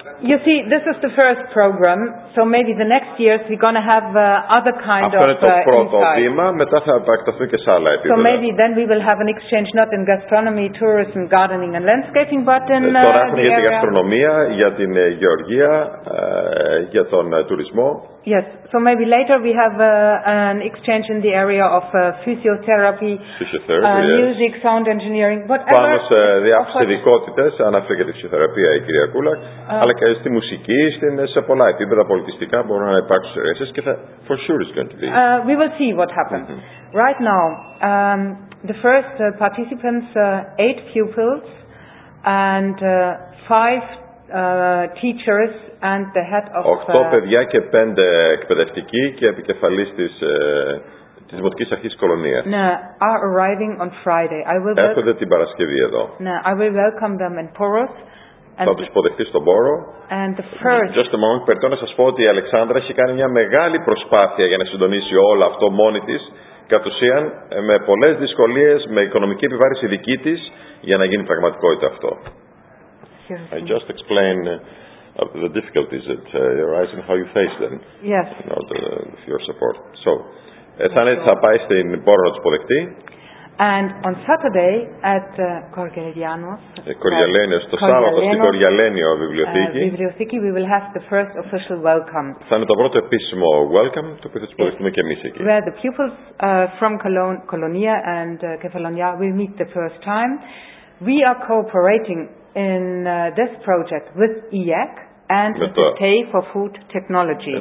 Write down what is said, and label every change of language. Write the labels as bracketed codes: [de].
[en] You see, this is the first program, so maybe the next years we're going to have other kind [el] αυτό [en] of insights. [el] Αυτό είναι το πρώτο βήμα, μετά θα επεκταθούν και σε άλλα επίπεδα. [en] So maybe then we will have an exchange not in gastronomy, tourism, gardening and landscaping, but in the area. [el] Τώρα έχουμε για την γαστρονομία, για την γεωργία, για τον τουρισμό. [en] Yes, so maybe later we have an exchange in the area of physiotherapy, music, yes. Sound engineering, whatever. [el] Πάνω σε διάφορες ειδικότητες, αναφέρει και τη φυσιοθεραπεία η κυρία Κούλακ, αλλά και στη μουσική, σε πολλά επίπεδα πολιτιστικά μπορούν να υπάρξουν εργασίες και θα, [en] for sure it's going to be. We will see what happens. Mm-hmm. Right now, the first participants, 8 pupils and 5 teachers and the head of [el] 8 παιδιά και 5 εκπαιδευτικοί και επικεφαλής της δημοτικής αρχής Κολονίας. [en] No, are arriving on Friday. I will [el] έρχονται την Παρασκευή εδώ. [en] No, I will welcome them in Poros. [el] Θα τους υποδεχτεί στον Πόρο. [en] And the first, just a moment, [el] περιττώ να σας πω ότι η Αλεξάνδρα έχει κάνει μια μεγάλη προσπάθεια για να συντονίσει όλο αυτό μόνη της, κατ' ουσίαν με πολλές δυσκολίες, με οικονομική επιβάρηση δική της, για να γίνει πραγματικότητα αυτό. [en] I just explain the difficulties that arise and how you face them. Yes. You know, with your support. [el] So, θα πάει στην Πόρο να τους υποδεχτεί. [en] And on Saturday at Korgelianos. [el] Korgelianos, το Σάββατο στην Korgelianio βιβλιοθήκη. [en] Βιβλιοθήκη, we will have the first official welcome. [el] Θα είναι το πρώτο επίσημο welcome, το οποίο θα τους υποδεχτούμε και εμείς εκεί. [en] Where the pupils from Colonia and Kefalonia will meet the first time. We are cooperating in this project with EEC and with the TEI for food technology.